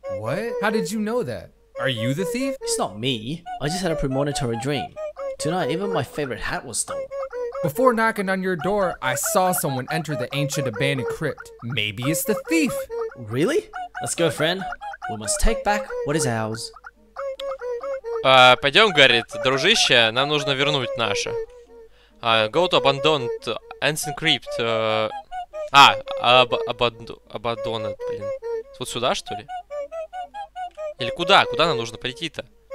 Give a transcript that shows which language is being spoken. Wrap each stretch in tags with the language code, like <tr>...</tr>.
<en>What? How did you know that? Are you the thief? It's not me. I just had a premonitory dream. Tonight, even my favorite hat was stolen. Before knocking on your door, I saw someone enter the ancient abandoned crypt. Maybe it's the thief. Really? Let's go, friend. We must take back what is ours.</en> <ru>Пойдем, говорит, дружище, нам нужно вернуть наше.</ru> <en>Go to abandoned ancient crypt.</en> <ru>Abandoned, блин. Вот сюда, что ли? Или куда? Куда нам нужно прийти-то?</ru>